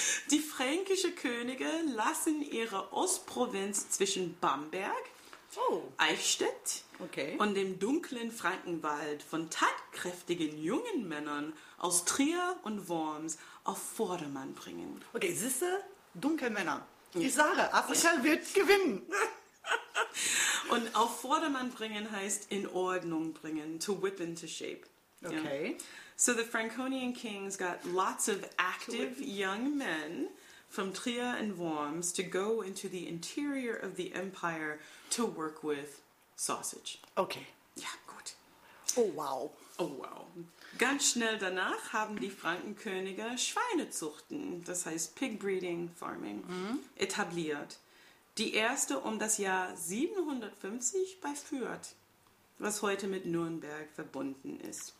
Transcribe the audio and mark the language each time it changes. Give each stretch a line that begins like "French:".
German: Die fränkische Könige lassen ihre Ostprovinz zwischen Bamberg, Eichstätt und dem dunklen Frankenwald von tatkräftigen jungen Männern aus Trier und Worms auf Vordermann bringen. Okay, siehste, dunkle Männer. Ich sage, Afrika wird gewinnen. Und auf Vordermann bringen heißt in Ordnung bringen,
English: to whip into shape. Okay. Yeah. So the Franconian kings got lots of active young men from Trier and Worms to go into the interior of the empire to work with sausage. Okay.
German: Ja, gut.
English: Oh, wow. Oh, wow.
German: Ganz schnell danach haben die Frankenkönige Schweinezuchten, das heißt
English: pig breeding farming,
German: etabliert. Die erste um das Jahr 750 bei Fürth, was heute mit Nürnberg verbunden ist.